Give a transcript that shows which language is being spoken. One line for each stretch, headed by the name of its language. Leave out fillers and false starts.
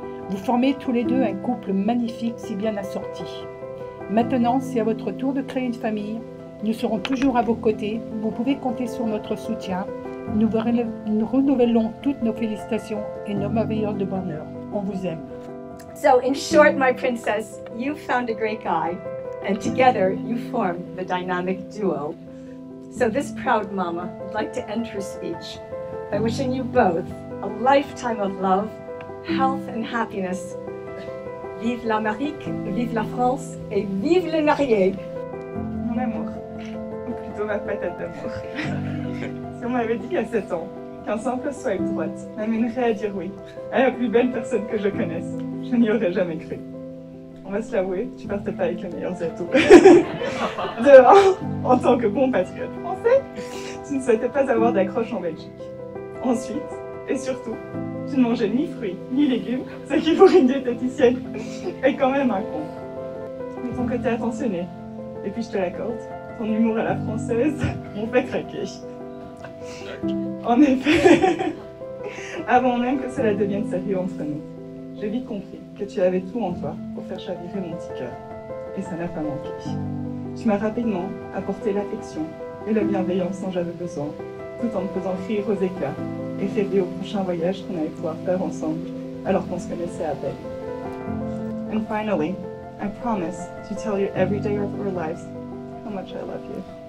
French: Vous formez tous les deux un couple magnifique si bien assorti. Maintenant, c'est à votre tour de créer une famille. Nous serons toujours à vos côtés. Vous pouvez compter sur notre soutien. Nous renouvelons toutes nos félicitations et nos meilleurs de bonheur. On vous aime.
English: So, in short, my princess, you found a great guy, and together you form the dynamic duo. So, this proud mama would like to end her speech by wishing you both a lifetime of love, health, and happiness.
French: Vive l'Amérique, vive la France et vive les mariés. Mon amour, ou plutôt ma patate d'amour. Si on m'avait dit qu'à 7 ans, qu'un simple swipe droite m'amènerait à dire oui à la plus belle personne que je connaisse, je n'y aurais jamais cru. On va se l'avouer, tu partais pas avec les meilleurs atouts. De 1, en tant que bon patriote français, tu ne souhaitais pas avoir d'accroche en Belgique. Ensuite, et surtout, tu ne mangeais ni fruits, ni légumes, ce qui pour une diététicienne est quand même un con. Mais ton côté attentionné, et puis je te l'accorde, ton humour à la française m'ont fait craquer. En effet, avant même que cela devienne sérieux entre nous, j'ai vite compris que tu avais tout en toi pour faire chavirer mon petit cœur. Et ça n'a pas manqué. Tu m'as rapidement apporté l'affection et la bienveillance dont j'avais besoin, tout en me faisant rire aux éclats et rêver au prochain voyage qu'on allait pouvoir faire ensemble alors qu'on se connaissait à peine.
English: And finally, I promise to tell you every day of our lives how much I love you.